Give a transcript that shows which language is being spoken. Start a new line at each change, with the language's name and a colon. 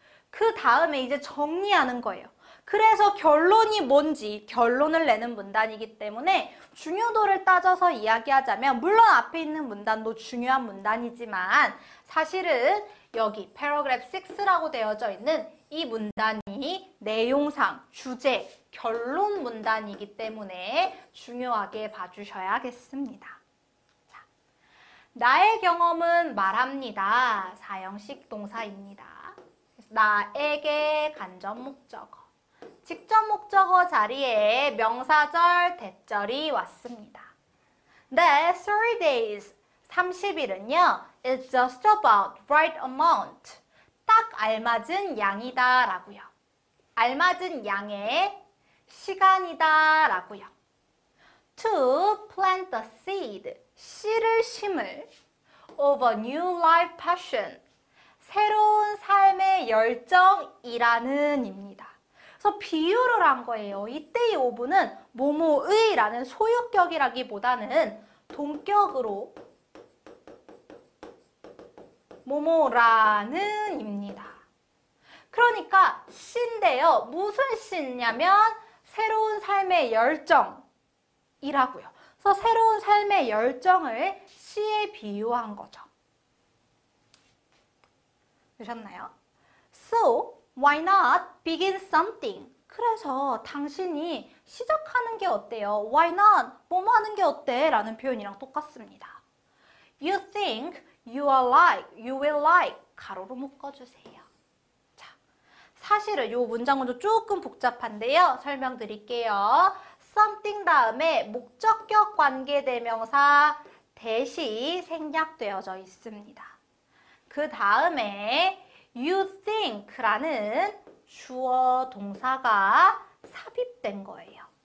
Korean: 그 다음에 이제 정리하는 거예요. 그래서 결론이 뭔지 결론을 내는 문단이기 때문에 중요도를 따져서 이야기하자면, 물론 앞에 있는 문단도 중요한 문단이지만, 사실은 여기 paragraph 6라고 되어져 있는 이 문단이 내용상 주제, 결론 문단이기 때문에 중요하게 봐주셔야겠습니다. 나의 경험은 말합니다. 사형식 동사입니다. 나에게 간접 목적어. 직접 목적어 자리에 명사절, 대절이 왔습니다.
English: The 30 days,
Korean: 30일은요,
English: it's just about right amount.
Korean: 딱 알맞은 양이다 라고요. 알맞은 양의 시간이다 라고요.
English: To plant the seed,
Korean: 씨를 심을
English: of a new life passion,
Korean: 새로운 삶의 열정이라는 입니다. 그래서 비유를 한 거예요. 이때 이 오브는 뭐뭐의라는 소유격이라기보다는 동격으로 뭐뭐라는 입니다. 그러니까 씨인데요. 무슨 씨냐면 새로운 삶의 열정이라고요. 그래서 새로운 삶의 열정을 씨에 비유한 거죠. 되셨나요?
English: So, why not begin something?
Korean: 그래서 당신이 시작하는 게 어때요?
English: Why not?
Korean: 뭐뭐 하는 게 어때? 라는 표현이랑 똑같습니다.
English: You think you are like, you will like.
Korean: 가로로 묶어주세요. 자, 사실은 이 문장은 조금 복잡한데요. 설명드릴게요. something 다음에 목적격 관계대명사 대시 생략되어져 있습니다. 그 다음에 you think라는 주어 동사가 삽입된 거예요.